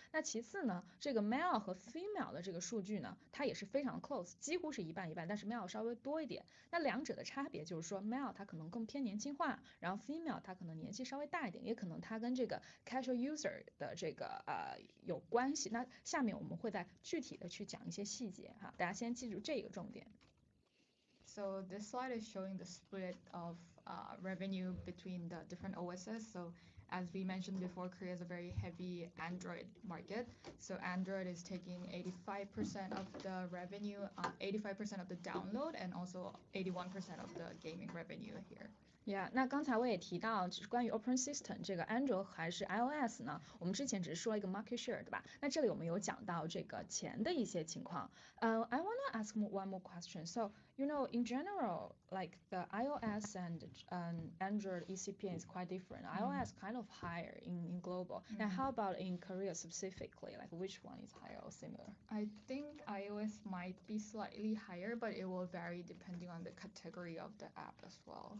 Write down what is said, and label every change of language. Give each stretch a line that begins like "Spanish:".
Chinese: 那其次呢，这个 male 和 female 的这个数据呢，它也是非常 close，几乎是一半一半，但是 male 稍微多一点。那两者的差别就是说，male 它可能更偏年轻化，然后 female 它可能年纪稍微大一点，也可能它跟这个 casual user 的这个有关系。那下面我们会再具体的去讲一些细节哈，大家先记住这一个重点。
English: So this slide is showing the split of revenue between the different OSs. So as we mentioned before, Korea is a very heavy Android market. So Android is taking 85% of the revenue, 85% of the download, and also 81% of the gaming revenue here.
Chinese: Yeah，那刚才我也提到，就是关于 Open System 这个安卓还是 iOS 呢？我们之前只是说了一个 market share，对吧？那这里我们有讲到这个钱的一些情况。
English: I wanna ask one more question. So you know, in general, like the iOS and Android ECPA is quite different. iOS kind of higher in global. Now how about in Korea specifically? Like which one is higher or similar? I think iOS might be slightly higher, but it will vary depending on the category of the app as well.